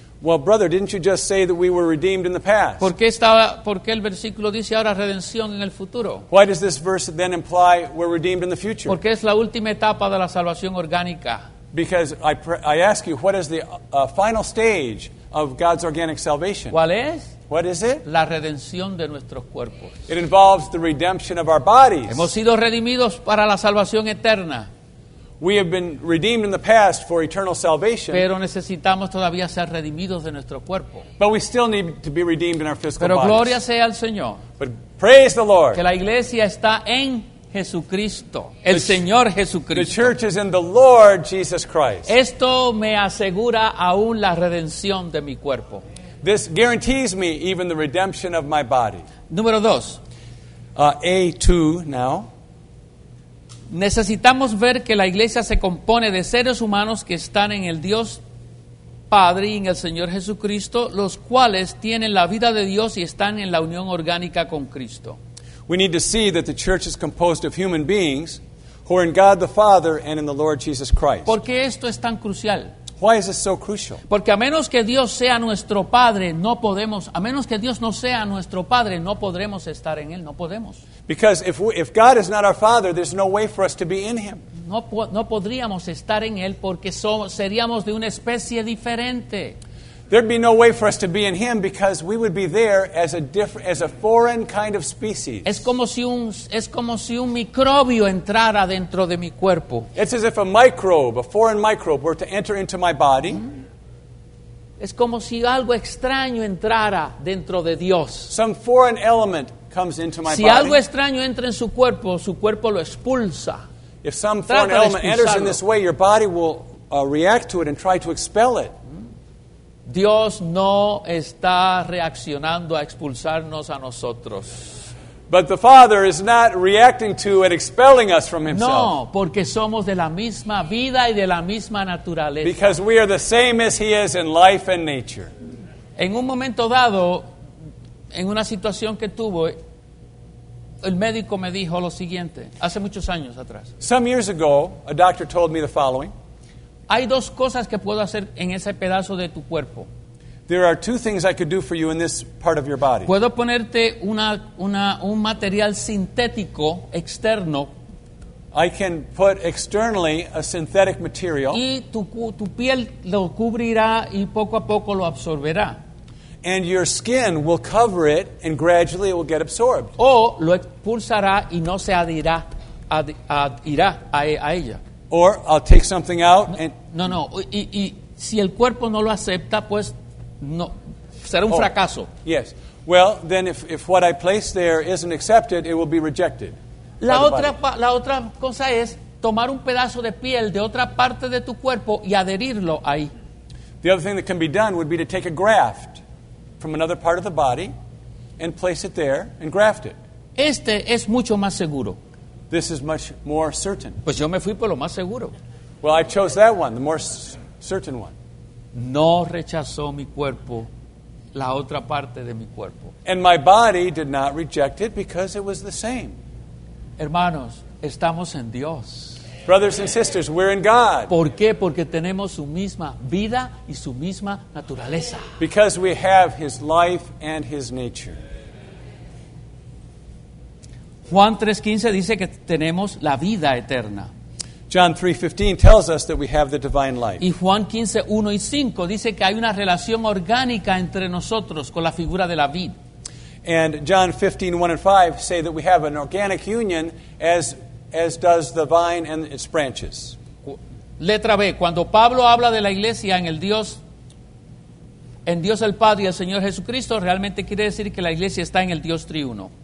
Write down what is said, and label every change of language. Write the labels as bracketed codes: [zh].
[en] Well, brother, didn't you just say that we were redeemed in the past? [es] ¿Por qué el versículo dice ahora redención en el futuro? [en] Why does this verse then imply we're redeemed in the future? [es] Porque es la última etapa de la salvación orgánica. [en] Because I ask you, what is the final stage of God's organic salvation? [es] ¿Cuál es? [en] What is it? [es] La redención de nuestros cuerpos. [en] It involves the redemption of our bodies. [es] Hemos sido redimidos para la salvación eterna. [en] We have been redeemed in the past for eternal salvation. [es] Pero necesitamos todavía ser redimidos de nuestro cuerpo. [en] But we still need to be redeemed in our physical [es] Pero gloria [en] bodies. [es] Sea al Señor. [en] But praise the Lord. [es] Que la iglesia está en Jesucristo, el Señor Jesucristo. [en] The church is in the Lord Jesus Christ. [es] Esto me asegura aún la redención de mi cuerpo. [en] This guarantees me even the redemption of my body. [es] Número dos. [en] A2 now. [es] Necesitamos ver que la iglesia se compone de seres humanos que están en el Dios Padre y en el Señor Jesucristo, los cuales tienen la vida de Dios y están en la unión orgánica con Cristo. [en] We need to see that the church is composed of human beings who are in God the Father and in the Lord Jesus Christ. [es] ¿Por qué esto es tan crucial? [en] Why is this so crucial? [es] Porque a menos que Dios sea nuestro Padre, no podemos. A menos que Dios no sea nuestro Padre, no podremos estar en él. No podemos. [en] Because if God is not our Father, there's no way for us to be in Him. [es] No podríamos estar en él porque seríamos de una especie diferente. [en] There'd be no way for us to be in Him because we would be there as a foreign kind of species. [es] Es como si un microbio entrara dentro de mi cuerpo. [en] It's as if a foreign microbe, were to enter into my body. [es] Es como si algo extraño entrara dentro de Dios. [en] Some foreign element comes into my [es] si [en] body. [es] Si algo extraño entra en su cuerpo lo expulsa. [en] If some foreign element enters in this way, your body will react to it and try to expel it. [es] Dios no está reaccionando a expulsarnos a nosotros. [en] But the Father is not reacting to and expelling us from Himself. [es] No, porque somos de la misma vida y de la misma naturaleza. [en] Because we are the same as He is in life and nature. [es] En un momento dado, en una situación que tuvo, el médico me dijo lo siguiente, hace muchos años atrás. [en] Some years ago, a doctor told me the following. [es] Hay dos cosas que puedo hacer en ese pedazo de tu cuerpo. [en] There are two things I could do for you in this part of your body. [es] Puedo ponerte un material sintético externo. [en] I can put externally a synthetic material. [es] Y tu piel lo cubrirá y poco a poco lo absorberá. [en] And your skin will cover it and gradually it will get absorbed. [es] O lo expulsará y no se adherirá a ella. [en] Or I'll take something out and [es] No. Y si el cuerpo no lo acepta, pues no será un fracaso. [en] Yes. Well, then if what I place there isn't accepted, it will be rejected. [es] La otra cosa es tomar un pedazo de piel de otra parte de tu cuerpo y adherirlo ahí. [en] The other thing that can be done would be to take a graft from another part of the body and place it there and graft it. [es] Este es mucho más seguro. [en] This is much more certain. [es] Pues yo me fui por lo más seguro. [en] Well, I chose that one, the more certain one. [es] No rechazó mi cuerpo la otra parte de mi cuerpo. [en] And my body did not reject it because it was the same. [es] Hermanos, estamos en Dios. [en] Brothers and sisters, we're in God. [es] ¿Por qué? Porque tenemos su misma vida y su misma naturaleza. [en] Because we have his life and his nature. [es] Juan 3:15 dice que tenemos la vida eterna. [en] John 3:15 tells us that we have the divine life. [es] Y Juan 15:1-5 dice que hay una relación orgánica entre nosotros con la figura de la vid. [en] And John 15:1-5 say that we have an organic union as does the vine and its branches. [es] Letra B, cuando Pablo habla de la iglesia en Dios el Padre y el Señor Jesucristo, realmente quiere decir que la iglesia está en el Dios triuno.